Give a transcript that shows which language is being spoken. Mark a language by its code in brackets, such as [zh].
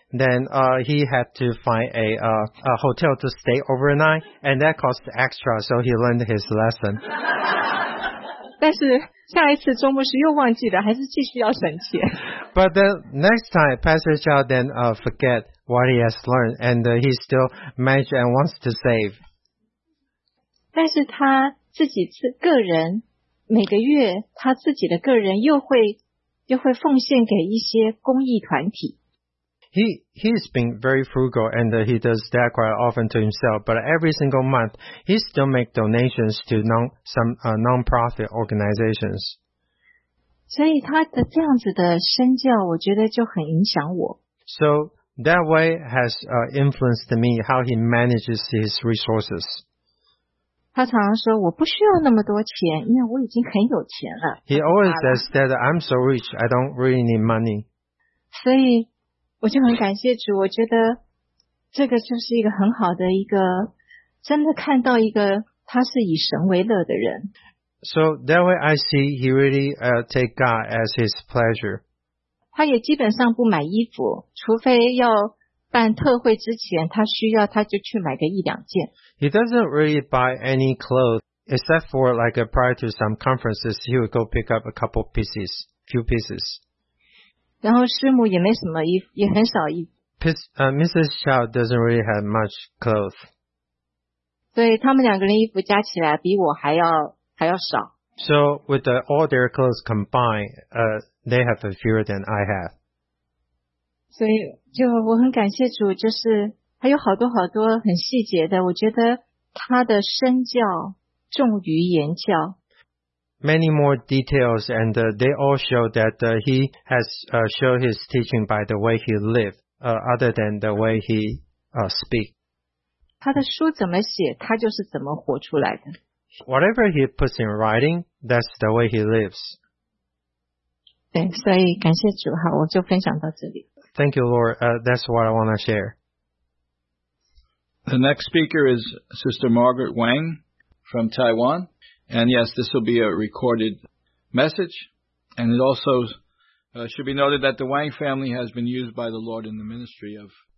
[en] Then he had to find a hotel to stay overnight, and that cost extra, so he learned his lesson. [zh] 但是下一次周牧师又忘记了，还是继续要省钱。 [en] But the next time, Pastor Chao then forget. What he has learned, and he still manages and wants to save. [zh] 但是他自己个人每个月他自己的个人又会奉献给一些公益团体。 [en] He's been very frugal, and he does that quite often to himself. But every single month, he still makes donations to non-profit organizations. [zh] 所以他的这样子的身教，我觉得就很影响我。 [en] So. That way has influenced me how he manages his resources. [zh] 他常常说我不需要那么多钱，因为我已经很有钱了。 [en] He always says that I'm so rich, I don't really need money. [zh] 所以我就很感谢主，我觉得这个就是一个很好的一个，真的看到一个他是以神为乐的人。 [en] So that way I see he really take God as his pleasure. [zh] 他也基本上不买衣服，除非要办特会之前他需要，他就去买个一两件。 [en] He doesn't really buy any clothes except for like prior to some conferences, he would go pick up a couple pieces, few pieces. [zh] 然后师母也没什么衣服，也很少衣服。 [en] Mrs. Chao doesn't really have much clothes. [zh] 对，他们两个人衣服加起来比我还要少。 [en] So with all their clothes combined, they have a fewer than I have. [zh] 所以就我很感谢主，就是还有好多好多很细节的，我觉得他的身教重于言教。 [en] Many more details, and they all show that he has showed his teaching by the way he lived, other than the way he speak. [zh] 他的书怎么写，他就是怎么活出来的。 [en] Whatever he puts in writing, that's the way he lives. [zh] 对，所以感谢主，好，我就分享到这里。 [en] Thank you, Lord. That's what I want to share. The next speaker is Sister Margaret Wang from Taiwan. And yes, this will be a recorded message. And it also should be noted that the Wang family has been used by the Lord in the ministry of...